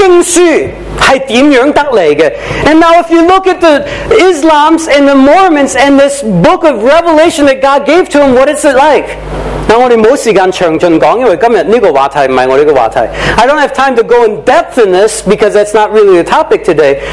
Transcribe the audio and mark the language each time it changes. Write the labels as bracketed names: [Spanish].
[Chinese] 那我们将伊斯兰教和摩门教看看他所谓神启示给他的经书是怎样得来的。 [English] And now if you look at the Islams and the Mormons and this book of Revelation that God gave to them, what is it like? [Chinese] 那我们没时间详尽讲，因为今天这个话题不是我们的话题。 [English] I don't have time to go in depth in this because that's not really the topic today.